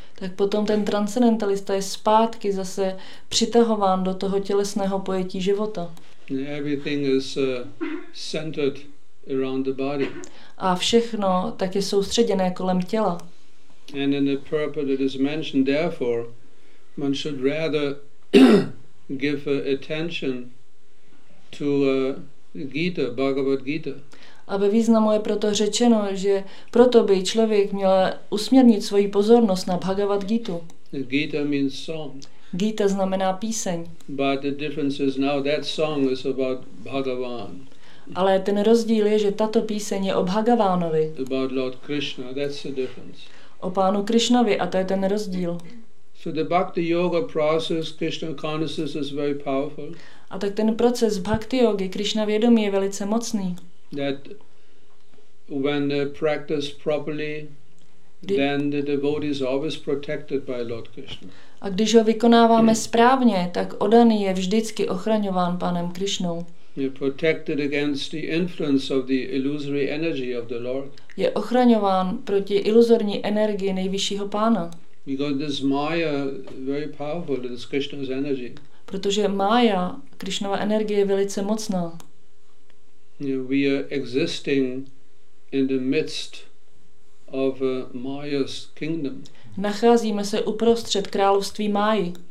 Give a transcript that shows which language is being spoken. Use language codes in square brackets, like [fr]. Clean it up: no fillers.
[cs] Tak potom ten transcendentalista je zpátky zase přitahován do toho tělesného pojetí života. [en] Everything is centered around the body. [cs] A všechno tak je soustředěné kolem těla. [en] And in the purport it is mentioned therefore one should rather give attention to Gita, Bhagavad Gita. [cs] A ve významu je proto řečeno, že proto by člověk měl usměrnit svoji pozornost na Bhagavad Gitu. [en] Gita means song. [cs] Gita znamená píseň. [en] But the difference is now that song is about Bhagavan. [cs] Ale ten rozdíl je, že tato píseň je o Bhagavánovi. [en] About Lord Krishna, that's the difference. [cs] O pánu Krishnovi, a to je ten rozdíl. [en] So the bhakti yoga process Krishna consciousness is very powerful. [cs] A tak ten proces bhakti yogi Krishna vědomí je velice mocný. [en] That when practiced properly, then the devotee is always protected by Lord Krishna. [cs] A když ho vykonáváme správně, tak oddaný je vždycky ochraňován panem Krishnou. [en] He is protected against the influence of the illusory energy of the Lord. [cs] Je ochraňován proti iluzorní energii nejvyššího pána. [en] Because this Maya very powerful, this Krishna's energy. [cs] Protože Maya, Krishnova energie, je velice mocná. [en] We are existing in the midst of Maya's kingdom. [cs] Nacházíme se uprostřed království Máji.